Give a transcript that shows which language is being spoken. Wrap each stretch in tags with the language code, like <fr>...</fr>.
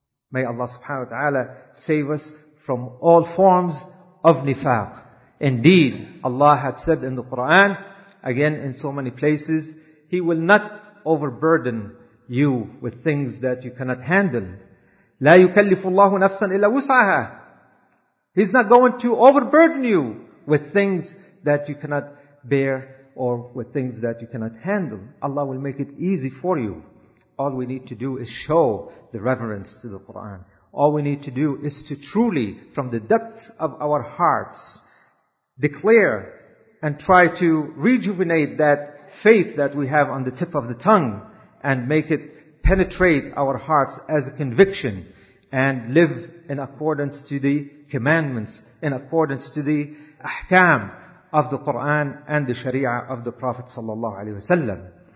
<en>May Allah subhanahu wa ta'ala save us from all forms of nifaq. Indeed, Allah had said in the Qur'an, again in so many places, He will not overburden you with things that you cannot handle.</en> <ar>لا يكلف الله نفسا إلا وسعها.</ar> <en>He's not going to overburden you with things that you cannot bear or with things that you cannot handle. Allah will make it easy for you. All we need to do is show the reverence to the Qur'an. All we need to do is to truly, from the depths of our hearts, declare and try to rejuvenate that faith that we have on the tip of the tongue and make it penetrate our hearts as a conviction and live in accordance to the commandments, in accordance to the ahkam of the Qur'an and the sharia of the Prophet sallallahu alaihi wasallam.</en>